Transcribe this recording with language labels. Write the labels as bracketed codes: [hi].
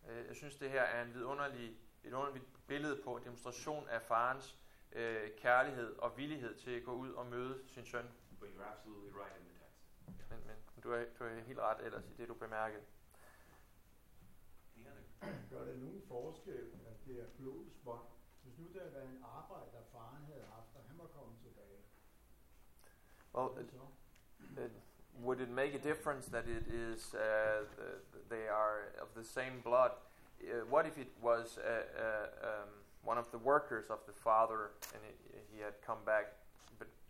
[da] Jeg synes det her er et underligt billede på demonstration af farens kærlighed og villighed til at gå ud og møde sin søn. [en] But you're absolutely right in the text. Yeah. [da] Men du er helt ret ellers i det du bemærkede. Gør der nogen forskel, at det er blodets bånd? Hvis nu det havde været en arbejder, faren havde haft, og han var kommet tilbage. [en] Well, would it make a difference that it is they are of the same blood? What if it was one of the workers of the father, and he had come back? But